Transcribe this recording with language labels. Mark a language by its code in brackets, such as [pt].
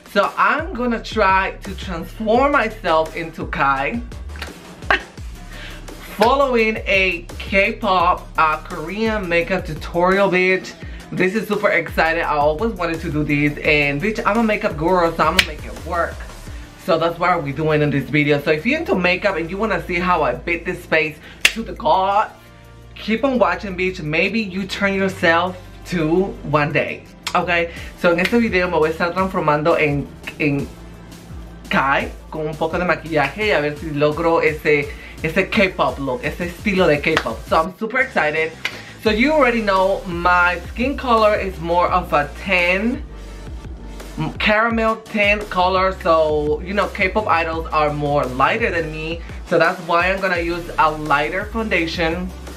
[en] So I'm gonna try to transform myself into Kai following a K-pop Korean makeup tutorial, bitch. This is super exciting. I always wanted to do this, and bitch, I'm a makeup guru, so I'm gonna make it work. So that's what we're doing in this video. So if you're into makeup and you want to see how I beat this face to the god, keep on watching, bitch. Maybe you turn yourself to one day. Okay, so in [es] este video me voy a estar transformando en Kai con un poco de maquillaje y a ver si logro ese K-pop look, ese estilo de K-pop. [en] So I'm super excited. So you already know my skin color is more of a tan, caramel tan color. So, you know, K-pop idols are more lighter than me. So that's why I'm gonna use a lighter foundation.